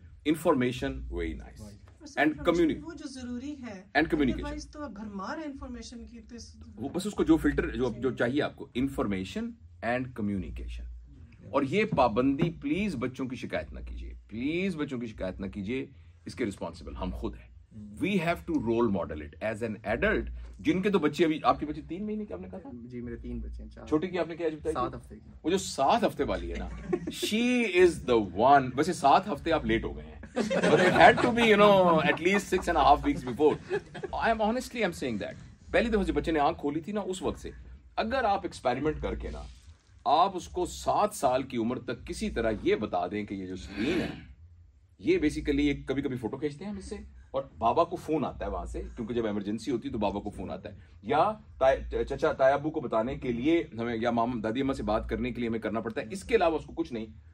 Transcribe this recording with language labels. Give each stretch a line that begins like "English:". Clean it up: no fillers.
English: information, very nice, and communication,
Hindi: वो जो जरूरी है,
English: and communication,
Hindi: तो भरमार है इंफॉर्मेशन की, तो वो बस उसको जो फिल्टर जो चाहिए आपको,
English: Information and communication.
Hindi: और ये पाबंदी प्लीज बच्चों की शिकायत ना कीजिए, प्लीज बच्चों की शिकायत ना कीजिए, इसके रिस्पॉन्सिबल हम खुद हैं।
English: We have to role model it as an adult.
Hindi: जिनके तो बच्चे अभी, आपके बच्चे 3 महीने के आपने कहा था? जी मेरे 3 बच्चे हैं। छोटी की आपने क्या बताया? 7 हफ्ते की। वो जो 7 हफ्ते वाली है ना,
English: she is the one।
Hindi: वैसे 7 हफ्ते आप लेट हो गए हैं,
English: but it had to be, you know, at least 6.5 weeks before. I'm saying that.
Hindi: पहली दफा जब बच्चे ने आंख खोली थी ना, उस वक्त से अगर आप एक्सपेरिमेंट करके ना आप उसको 7 साल की उम्र तक किसी तरह ये बता दें कि ये जो स्क्रीन है ये बेसिकली, ये कभी कभी फोटो खींचते हैं हम इससे, और बाबा को फोन आता है वहां से, क्योंकि जब इमरजेंसी होती है तो बाबा को फोन आता है, या चाचा तायाबू को बताने के लिए हमें, या मामा दादी अम्मा से बात करने के लिए हमें करना पड़ता है, इसके अलावा उसको कुछ नहीं।